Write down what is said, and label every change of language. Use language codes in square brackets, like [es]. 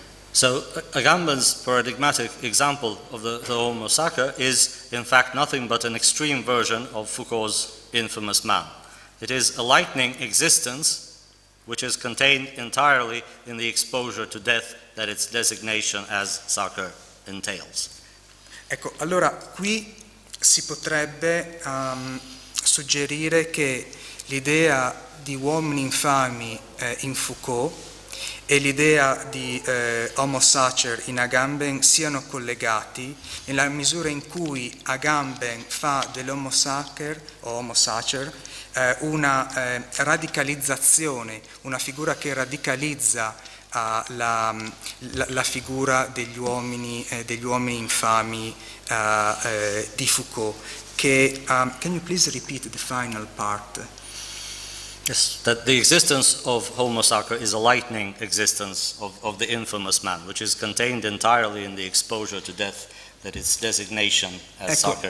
[en] So Agamben's paradigmatic example of the Homo Sacer is in fact nothing but an extreme version of Foucault's infamous man. It is a lightning existence which is contained entirely in the exposure to death that its designation as Sacer entails. [it] Ecco, allora qui si potrebbe suggerire che l'idea di uomini infami in Foucault e l'idea di Homo sacer in Agamben siano collegati nella misura in cui Agamben fa dell'Homo sacer o Homo sacer una radicalizzazione, una figura che radicalizza la figura degli uomini infami di Foucault. [en] Che, can you please repeat the final part? Yes, that the existence of Homo sacer is a lightning existence of the infamous man, which is contained entirely in the exposure to death that its designation as sacer